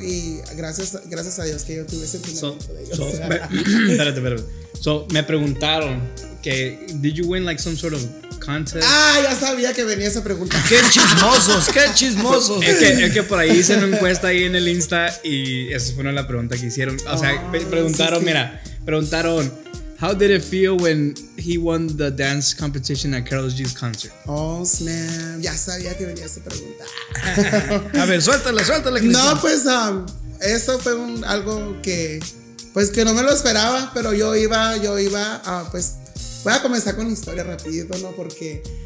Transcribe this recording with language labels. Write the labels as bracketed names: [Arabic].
[Spanish] Y gracias a Dios que yo tuve ese entrenamiento de ellos. Me preguntaron que, [English] ¿did you win like some sort of contest? [Spanish] Ah, ya sabía que venía esa pregunta. ¡Qué chismosos! Es que por ahí hice una encuesta ahí en el Insta y esa fue una de las preguntas que hicieron. O sea, preguntaron, [English] how did it feel when he won the dance competition at Carlos G's concert? Oh, snap. [Spanish] Ya sabía que venía esa pregunta. A ver, suéltala. No, pues, eso fue algo que, pues, que no me lo esperaba, pero yo iba, pues, voy a comenzar con la historia rapidito, ¿no? Porque